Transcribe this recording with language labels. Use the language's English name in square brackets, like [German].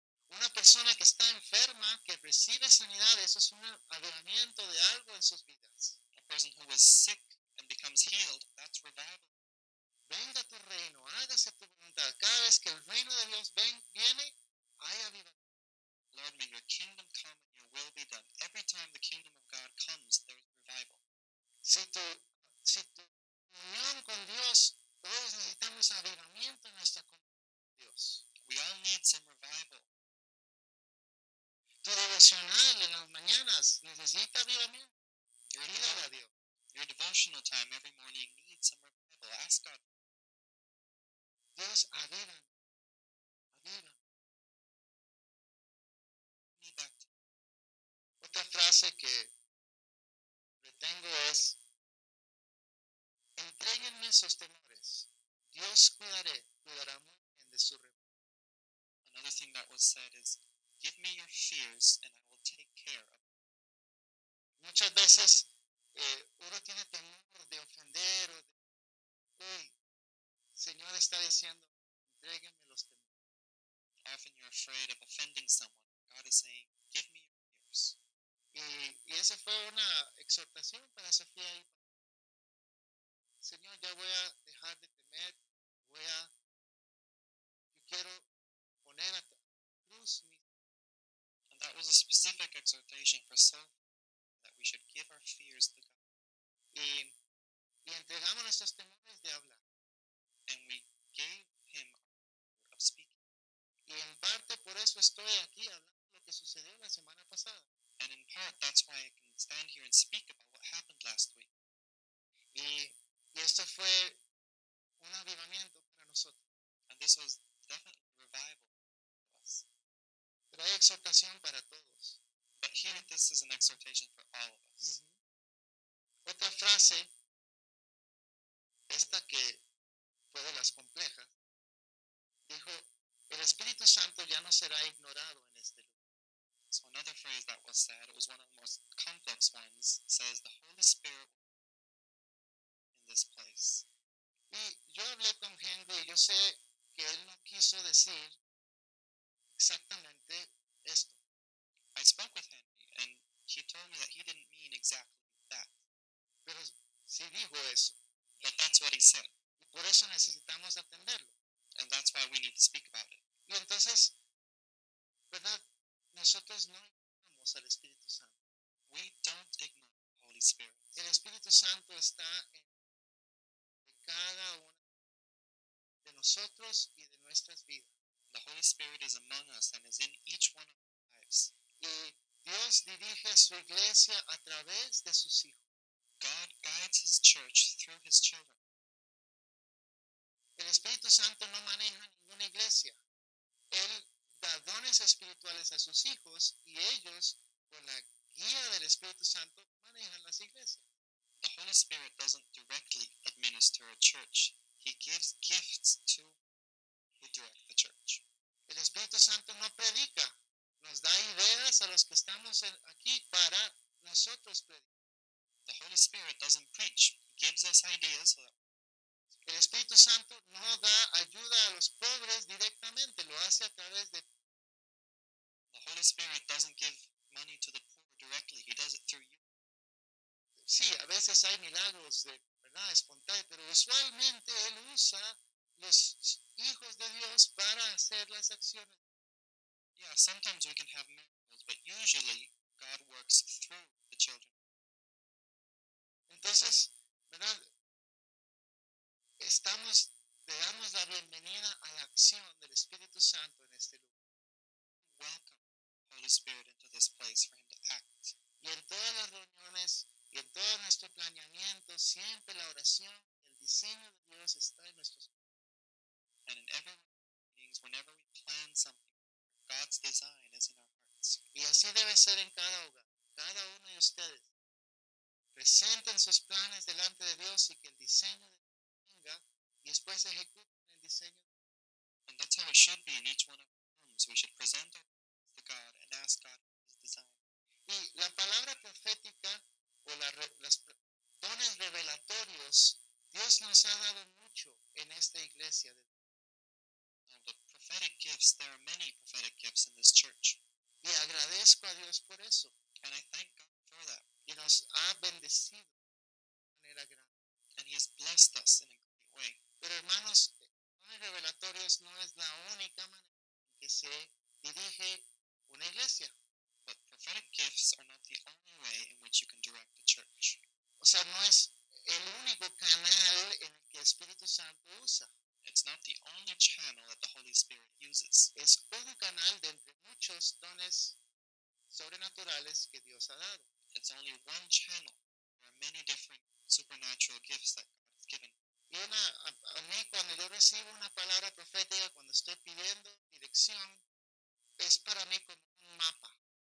[Spanish] Una persona que está enferma, que recibe sanidad, eso es un avivamiento de algo en sus vidas. [English] A person who was sick and becomes healed, that's revival. [Spanish] Venga tu reino, hágase tu voluntad. Cada vez que el reino de Dios viene, hay avivamiento. [English] Lord, may your kingdom come and your will be done. Every time the kingdom of God comes, there is revival. [Spanish] Si tu unión con Dios, todos necesitamos avivamiento en nuestra comunión con Dios. [English] We all need some revival. [Spanish] Tu devocional en las mañanas necesita avivamiento. Pídale a Dios. [English] Your devotional time every morning needs some revival. Ask God. [Spanish] Dios, aviva. Aviva. Otra frase que retengo es: entréguenme sus temores. Dios cuidará muy bien de su rebaño. [English] Another thing that was said is: give me your fears and I will take care of them. [Spanish] Muchas veces uno tiene temor de ofender o de. Uy, Señor está diciendo, entréguenme los temores. [English] Often you're afraid of offending someone. God is saying, give me your fears. [Spanish] Y esa fue una exhortación para Sofía y para. Señor, ya voy a dejar de temer. Yo quiero poner a cruz mi. [English] That was a specific exhortation for some that we should give our fears to God. [Spanish] Y entregamos nuestros temores de hablar. [English] And we gave him of speaking. [Spanish] Y en parte por eso estoy aquí hablando lo que sucedió la semana pasada. [English] And in part that's why I can stand here and speak about what happened last week. [Spanish] Y esto fue un avivamiento para nosotros. [English] And this was definitely revival. [Spanish] Pero hay exhortación para todos. [English] But here this is an exhortation for all of us. Mm-hmm. [Spanish] Otra frase, esta que fue de las complejas, dijo, el Espíritu Santo ya no será ignorado en este lugar. [English] So another phrase that was said, it was one of the most complex ones, says the Holy Spirit will be in this place. [Spanish] Y yo hablé con Henry y yo sé que él no quiso decir exactamente esto. [English] I spoke with Henry and he told me that he didn't mean exactly that. [Spanish] Pero sí dijo eso. [English] But that's what he said. [Spanish] Y por eso necesitamos atenderlo. [English] And that's why we need to speak about it. [Spanish] Y entonces, ¿verdad? Nosotros no ignoramos al Espíritu Santo. [English] We don't ignore the Holy Spirit. [Spanish] El Espíritu Santo está en cada uno de nosotros y de nuestras vidas. [English] The Holy Spirit is among us and is in each one of our lives. [Spanish] Y Dios dirige a su iglesia a través de sus hijos. [English] God guides his church through his children. [Spanish] El Espíritu Santo no maneja ninguna iglesia. Él da dones espirituales a sus hijos y ellos, con la guía del Espíritu Santo, manejan las iglesias. [English] The Holy Spirit doesn't directly administer a church. He gives gifts to who direct the church. [Spanish] El Espíritu Santo no predica. Nos da ideas a los que estamos aquí para nosotros predicar. [English] The Holy Spirit doesn't preach. He gives us ideas. [Spanish] El Espíritu Santo no da ayuda a los pobres directamente. Lo hace a través de. [English] The Holy Spirit doesn't give money to the poor directly. He does it through you. [Spanish] Sí, a veces hay milagros de verdad espontáneos, pero usualmente Él usa los hijos de Dios para hacer las acciones. [English] Yeah, sometimes we can have miracles, but usually God works through the children. [Spanish] Entonces, ¿verdad? Estamos, le damos la bienvenida a la acción del Espíritu Santo en este lugar. [English] Welcome Holy Spirit into this place for him to act. [Spanish] Y en todas las reuniones y en todo nuestro planeamiento, siempre la oración, el diseño de Dios está en nuestros [English] and in every meetings, whenever we plan something, God's design is in our hearts. [Spanish] Y así debe ser en cada hogar. Cada uno de ustedes presenten sus planes delante de Dios y que el diseño de Dios venga y después ejecuten el diseño. [English] And that's how it should be in each one of our homes. We should present our plans to God and ask God for his design. [Spanish] Y la palabra profética o los dones revelatorios, Dios nos ha dado mucho en esta iglesia. [English] And the prophetic gifts, there are many prophetic gifts in this church. [Spanish] Y agradezco a Dios por eso. [English] And I thank God for that. [Spanish] Y nos ha bendecido de manera grande. [English] And he has blessed us in a great way. [Spanish] Pero hermanos, dones revelatorios no es la única manera en que se dirige una iglesia. [English] But prophetic gifts are not the only way in which you can direct the church. [Spanish] O sea, no es el único canal en el que el Espíritu Santo usa. [English] It's not the only channel that the Holy Spirit uses. [Spanish] Es un canal de entre muchos dones sobrenaturales que Dios ha dado. [English] It's only one channel. There are many different supernatural gifts that God has given. [Spanish] Y a mí, cuando yo recibo una palabra profética, cuando estoy pidiendo dirección, es para mí como un mapa.